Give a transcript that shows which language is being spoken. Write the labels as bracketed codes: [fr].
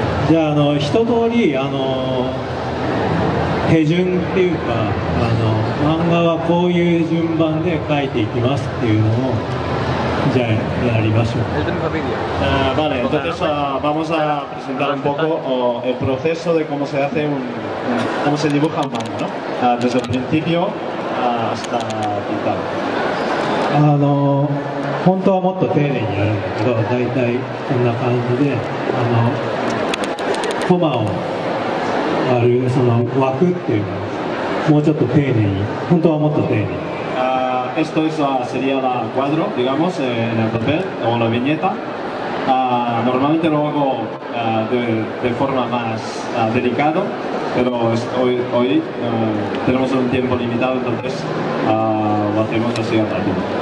[ja] じゃあ一通り手順っていうか漫画はこういう順番で描いていきますっていうのを [es] Ya, la animación. Es de mi familia. Vale, entonces vamos a presentar un poco el proceso de cómo se hace cómo se dibuja un manga, ¿no? Desde el principio hasta pintar. [ja] あの、本当はもっと丁寧にやるんだけど、大体こんな感じで、あの、コマを割る、その枠っていうのは、もうちょっと丁寧に、本当はもっと丁寧に。 [es] Sería la cuadro, digamos, en el papel o la viñeta. Normalmente lo hago de forma más delicado, pero hoy tenemos un tiempo limitado, entonces lo hacemos así a rápido.